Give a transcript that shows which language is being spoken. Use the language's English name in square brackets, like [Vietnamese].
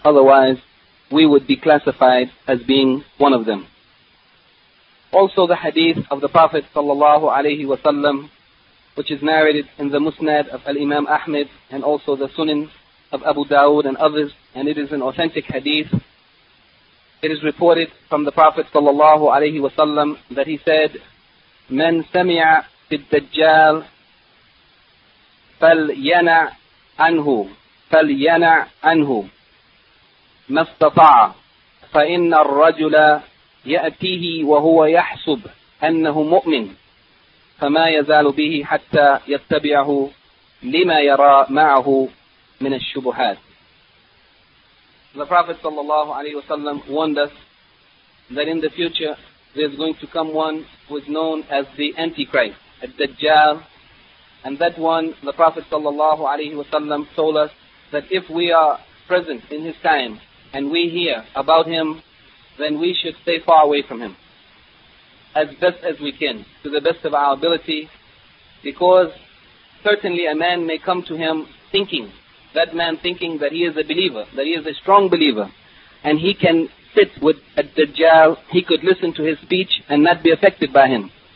[English] Otherwise, we would be classified as being one of them. Also, the hadith of the Prophet sallallahu alaihi wasallam, which is narrated in the Musnad of Al-Imam Ahmed, and also the Sunan of Abu Dawud and others, and it is an authentic hadith. It is reported from the Prophet sallallahu alaihi wasallam that he said, [Arabic] "Man sami'a bid-dajjal فَلْيَنَعْ عَنْهُ فَلْيَنَعْ عَنْهُ مَا اسْتَطَعَ فَإِنَّ الرَّجُلَ يَأْتِيهِ وَهُوَ يَحْسُبْ أَنَّهُ مُؤْمِنْ فَمَا يَزَالُ بِهِ حَتَّى يَتَّبِعَهُ لِمَا يَرَى مَعَهُ مِنَ الشُّبُهَاتِ. [English] The Prophet sallallahu alayhi wa sallam warned us that in the future there is going to come one who is known as the Antichrist, Ad-Dajjal. And that one, the Prophet sallallahu alayhi wasallam told us that if we are present in his time and we hear about him, then we should stay far away from him as best as we can, to the best of our ability, because certainly a man may come to him thinking, that man thinking that he is a believer, that he is a strong believer, and he can sit with Ad-Dajjal, he could listen to his speech and not be affected by him.